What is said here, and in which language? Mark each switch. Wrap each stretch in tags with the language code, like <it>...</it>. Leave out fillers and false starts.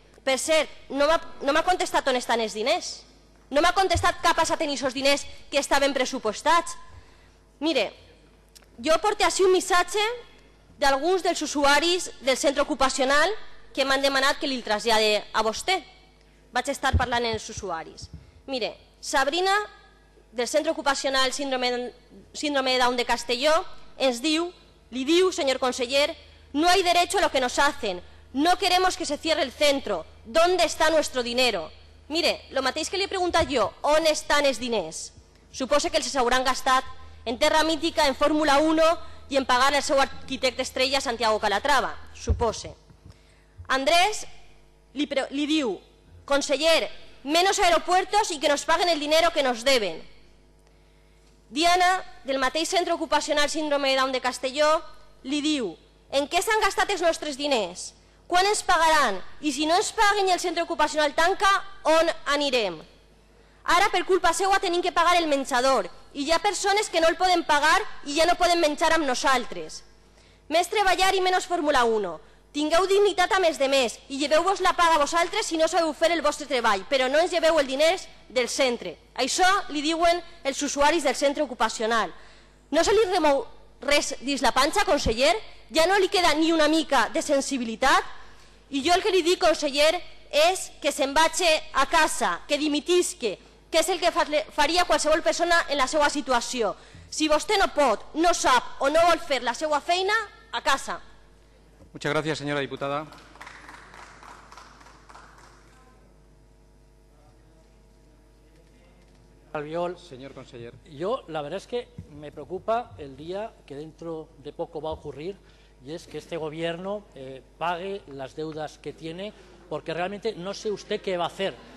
<ca>Per cert, no m'ha contestat on estan els diners. No m'ha contestat què passa a tenir esos diners que estaven pressupostats. Mire, jo porto així un missatge d'alguns dels usuaris del centre ocupacional que m'han demanat que li trasllade a vostè. Vaig estar parlant amb els usuaris. Mire, Sabrina, del centre ocupacional Síndrome de Down de Castelló, ens diu, li diu, senyor conseller,</ca> <es>no hay derecho a lo que nos hacen, no queremos que se cierre el centro, ¿dónde está nuestro dinero?</es> <ca>Mire, lo mateix que li he preguntat jo, on estan els diners? Suposo que els hauran gastat en Terra Mítica, en Fórmula 1 i en pagar el seu arquitecte estrella Santiago Calatrava, suposo.</ca> <es>Andrés</es> <ca>li diu,</ca> <es>conseller, menos aeropuertos y que nos paguen el dinero que nos deben.</es> <ca>Diana, del mateix centre ocupacional Síndrome de Down de Castelló, li diu, ¿en què s'han gastat els nostres diners? ¿Quan ens pagaran? I si no ens paguen i el centre ocupacional tanca, on anirem? Ara, per culpa seua, tenim que pagar el menjador i hi ha persones que no el poden pagar i ja no poden menjar amb nosaltres. Més treballar i menys Fórmula 1. Tingueu dignitat a més de més i lleveu-vos la paga a vosaltres si no sabeu fer el vostre treball, però no ens lleveu el diners del centre. Això li diuen els usuaris del centre ocupacional. No se li remou res dins la panxa, conseller? Ja no li queda ni una mica de sensibilitat? I jo el que li dic, conseller, és que se'n vagi a casa, que dimitisque, que és el que faria qualsevol persona en la seva situació. Si vostè no pot, no sap o no vol fer la seva feina, a casa.</ca> <es>Muchas gracias, señora diputada. Albiol, señor conseller. Yo la verdad es que me preocupa el día que dentro de poco va a ocurrir y es que este gobierno pague las deudas que tiene, porque realmente no sé usted qué va a hacer.</es>